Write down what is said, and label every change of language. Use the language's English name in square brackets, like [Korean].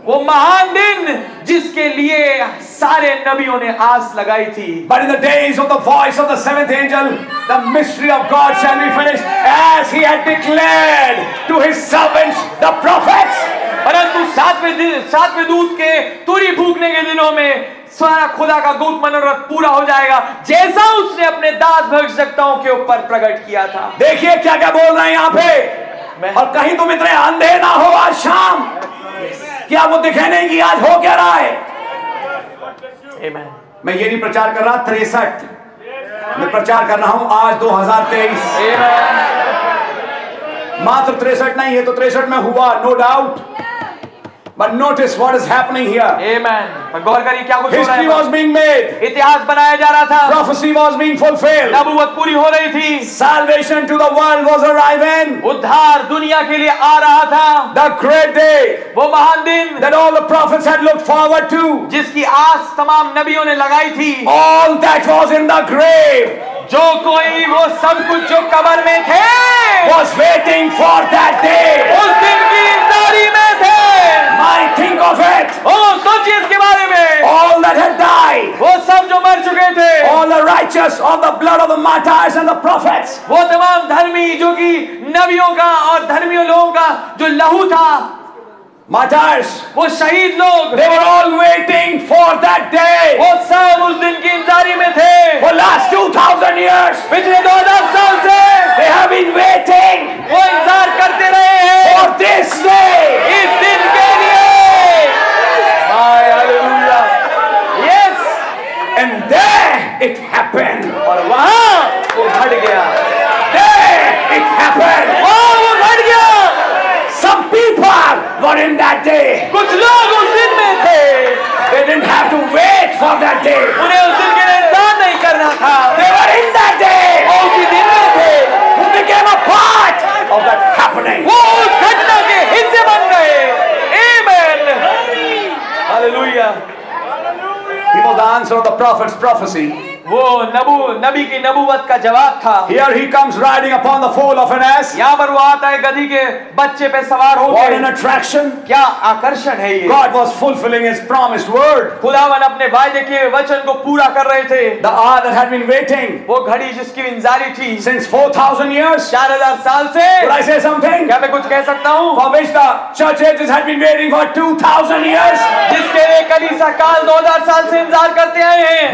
[Hindi] वो महान दिन जिसके लिए सारे नबियों ने आस लगाई थी. [English] But in the days of the voice of the seventh angel, the mystery of God shall be finished, as he had declared to his servants, the prophets. [Hindi] परंतु सातवें दूत के तुरी फूंकने के दिनों में सारा खुदा का गुप्त मनोरथ पूरा हो जाएगा, जैसा उसने अपने दास भविष्यवक्ताओं के ऊपर प्रकट किया था. देखिए क्या क्या बोल रहे हैं यहाँ पे. और कहीं तुम इतने अंधे ना हो आज शाम. क्या वो दिखे नहीं कि आज हो क्या रहा है. [English] Amen. [Hindi] मैं ये नहीं प्रचार कर रहा 63. Amen. मैं प्रचार कर रहा हूं आज 2023. [English] Amen. [Hindi] मात्र 63 नहीं, ये तो 63 में हुआ, [English] No doubt. But notice what is happening here. [Hindi] Amen. गौर करिए क्या कुछ हो रहा है. [English] History was being made. [Hindi] इतिहास बनाया जा रहा था. [English] Prophecy was being fulfilled. [Hindi] नबुवत पूरी हो रही थी. [English] Salvation to the world was arriving. [Hindi] उद्धार दुनिया के लिए आ रहा था. [English] The great day. [Hindi] वो महान दिन. [English] That all the prophets had looked forward to. [Hindi] जिसकी आस तमाम नबियों ने लगाई थी. [English] All that was in the grave. [Hindi] जो कोई वो सब कुछ जो कब्र में थे. [English] Was waiting for that day. [Hindi] उस दिन की इंतजारी में थे. [English] I think of it. [Hindi] Oh, सोचिए इसके बारे में. [English] All that had died. [Hindi] वो सब जो मर चुके थे. [English] All the righteous of the blood of the martyrs and the prophets. [Hindi] वो तमाम धर्मी जो कि नबियों का और धर्मी लोगों का जो लहू था. [English] Martyrs. [Hindi] वो शहीद लोग. [English] They were all waiting for that day. [Hindi] वो सब उस दिन की इंतजारी में थे. [English] For last 2000 years. [Hindi] पिछले 2000 साल से. [English] They have been waiting. [Hindi] वो इंतजार करते रहे हैं. [English] For this day. [Hindi] इस दिन के लिए. [English] My hallelujah. Yes. And there it happened. [Hindi] और वहाँ वो घट गया. [English] There it happened. [Hindi] वहाँ वो घट गया. [English] Some people were in that day. [Hindi] कुछ लोग उस दिन में थे. [English] They didn't have to wait for that day. [Hindi] उन्हें उस दिन के लिए इंतजार नहीं करना था. [English] They were in that day. [Hindi] वो उसी दिन में थे. [English] Who became a part of that happening? [Hindi] वो उस घटना के हिस्से बन गए. [English] Amen. Hallelujah. He was the answer of the prophet's prophecy. [Hindi] वो नबी की नबुवत का जवाब था. [English] Here he comes riding upon the foal of an ass. [Hindi] यहाँ पर वो आता है गधी के बच्चे पे सवार होकर. [English] What an attraction! [Hindi] क्या आकर्षण है ये? [English] God was fulfilling His promised word. [Hindi] खुदावन अपने वायदे के वचन को पूरा कर रहे थे. [English] The hour that had been waiting. [Hindi] वो घड़ी जिसकी इंतजारी थी. [English] Since 4000 years. [Hindi] 4000 साल से. [English] Could I say something? [Hindi] क्या मैं कुछ कह सकता हूँ? [English] For which the church ages had been waiting for 2000 years. [Hindi] जिसके लिए कलीसिया काल 2000 साल से इंतजार करते आए हैं.